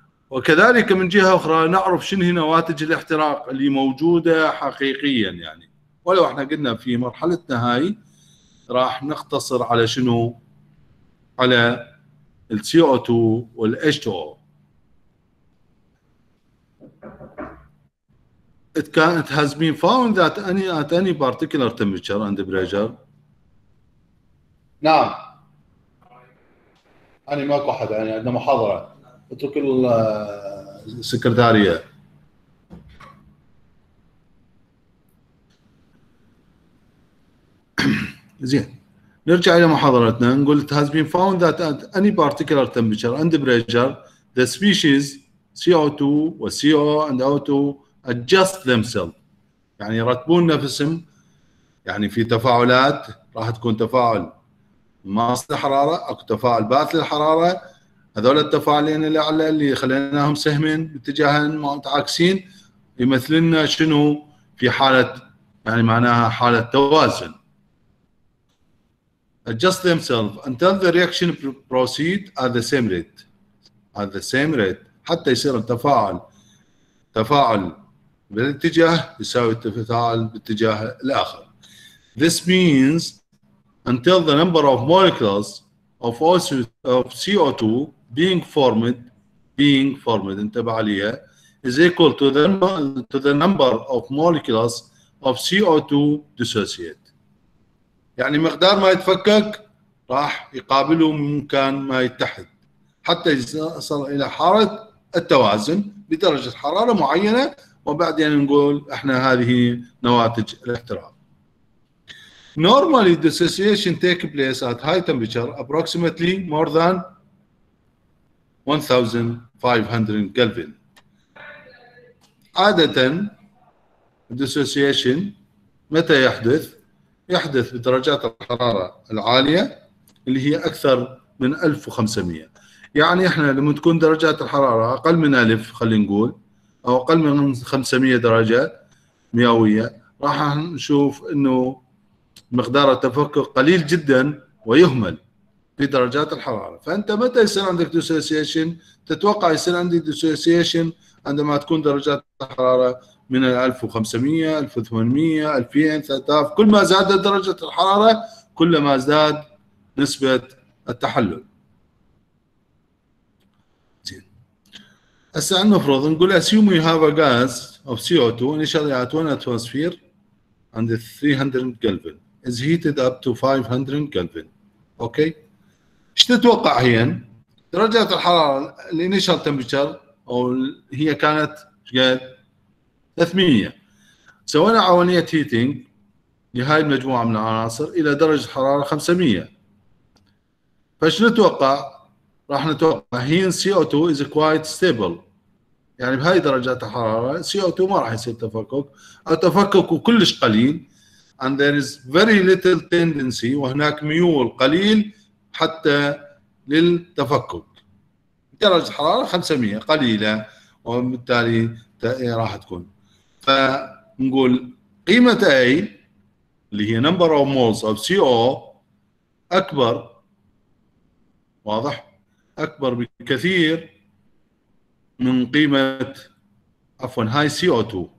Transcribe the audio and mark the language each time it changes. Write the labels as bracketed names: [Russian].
[Arabic] وكذلك من جهة أخرى نعرف شنو هي نواتج الاحتراق اللي موجودة حقيقيا، يعني ولو احنا قلنا في مرحلتنا هاي راح نختصر على شنو؟ على الـ CO2 والـ H2O. [English] It has been found that at any particular temperature and pressure. [Arabic] نعم. أنا ماكو أحد، يعني عندنا محاضرة. اترك السكرتارية. زين. نرجع إلى محاضرتنا. نقول [English] it has been found that at any particular temperature and pressure, the species CO2 وCO and O2 adjust themselves. [Arabic] يعني يرتبون نفسهم. يعني في تفاعلات راح تكون تفاعل ماص الحرارة أو تفاعل باث للحرارة. هذول التفاعلين اللي على اللي خليناهم سهمين باتجاهين متعاكسين يمثلنا شنو في حالة، يعني معناها حالة توازن. [English] Adjust themselves until the reaction proceed at the same rate. At the same rate. [Arabic] حتى يصير التفاعل تفاعل بالاتجاه يساوي التفاعل باتجاه الآخر. [English] This means until the number of molecules of also of CO2 being formed [Arabic] انتبع عليها [English] is equal to the number of molecules of CO2 dissociate. [Arabic] يعني مقدار ما يتفكك راح يقابله ممكن ما يتحد حتى يصل إلى حالة التوازن بدرجة حرارة معينة، وبعدين نقول إحنا هذه نواتج الاحتراق. [English] Normally dissociation takes place at high temperature approximately more than 1500 Kelvin. [Arabic] عادة dissociation متى يحدث؟ يحدث بدرجات الحرارة العالية اللي هي أكثر من 1500. يعني إحنا لما تكون درجات الحرارة أقل من 1000 خلينا نقول، أو أقل من 500 درجة مئوية، راح نشوف إنه مقدار التفكك قليل جدا ويهمل في درجات الحرارة. فأنت متى يصير عندك ديسوسيشن؟ تتوقع يصير عندي ديسوسيشن عندما تكون درجات الحرارة من 1500، 1800، 2000، 3000. كل ما زادت درجة الحرارة كل ما زاد نسبة التحلل. هسه نفرض نقول [English] assume we have a gas of CO2 initially at one atmosphere and 300 Kelvin is heated up to 500 Kelvin. [Arabic] اوكي، ايش تتوقع هي درجة الحرارة الانيشال تمبرتشر؟ او هي كانت 300. سوينا عملية هيتينج لهاي المجموعة من العناصر إلى درجة حرارة 500. فش نتوقع؟ راح نتوقع هين [English] CO2 is quite stable. [Arabic] يعني بهاي درجات الحرارة CO2 ما راح يصير تفكك، أو تفككه كلش قليل. [English] And there is very little tendency، [Arabic] وهناك ميول قليل حتى للتفكك. درجة حرارة 500 قليلة، وبالتالي راح تكون. فنقول قيمة A اللي هي [English] number of moles of CO [Arabic] أكبر، واضح؟ أكبر بكثير من قيمة، عفوا، هاي CO2.